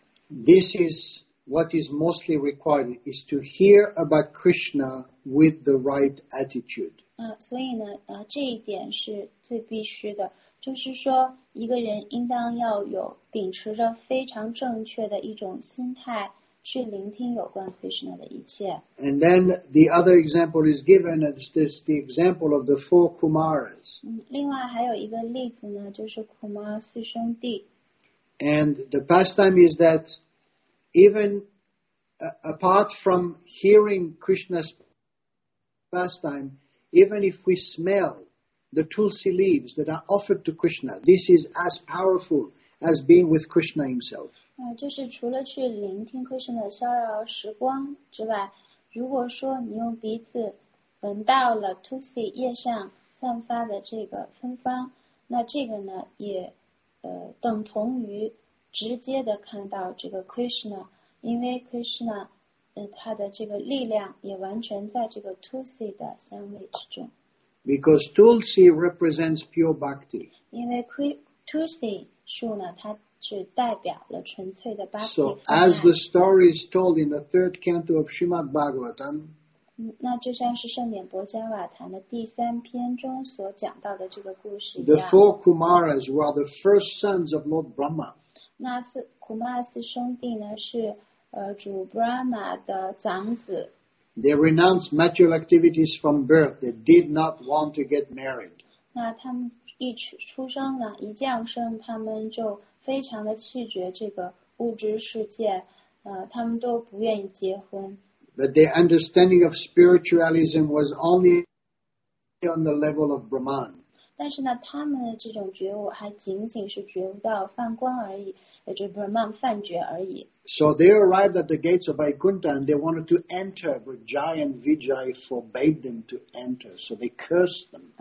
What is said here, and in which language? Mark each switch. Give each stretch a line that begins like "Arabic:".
English: This is what is mostly required, is to hear about Krishna with the right attitude.
Chinese: 所以呢，这一点是最必须的，就是说一个人应当要有秉持着非常正确的一种心态去聆听有关 Krishna 的一切。
English: And then the other example is given, it's just the example of the four Kumaras.
Chinese: 另外还有一个例子呢，就是 Kumar 四兄弟。
English: And the pastime is that even apart from hearing Krishna's pastime, even if we smell the tulsi leaves that are offered to Krishna, this is as powerful as being with Krishna himself.
Chinese: 就是除了去聆听 Krishna 的逍遥时光之外，如果说你用鼻子闻到了 Tulsi 叶上散发的这个芬芳，那这个呢也等同于直接的看到这个 Krishna， 因为 Krishna 他的这个力量也完全在这个 Tulsi 的香味之中。
English: Because Tulsi represents pure bhakti.
Chinese: 因为 Tulsi 树呢，它是代表了纯粹的 bhakti。
English: So as the story is told in the third canto of Srimad Bhagavatam，
Chinese: 那就像是圣典伯加瓦坛的第三篇中所讲到的这个故事一样。
English: The four Kumaras were the first sons of Lord Brahma。
Chinese: 那四 Kumaras 兄弟呢是主 Brahma 的长子。
English: They renounced material activities from birth. They did not want to get married.
Chinese: 那他们一出生呢，一降生，他们就非常的拒绝这个物质世界，他们都不愿意结婚。
English: But their understanding of spiritualism was only on the level of Brahman.
Chinese: 但是呢，他们的这种觉悟还仅仅是觉悟到梵光而已，也就是 Brahman 梵觉而已。
English: So they arrived at the gates of Vaikuntha and they wanted to enter, but giant Vijay forbade them to enter, so they cursed them.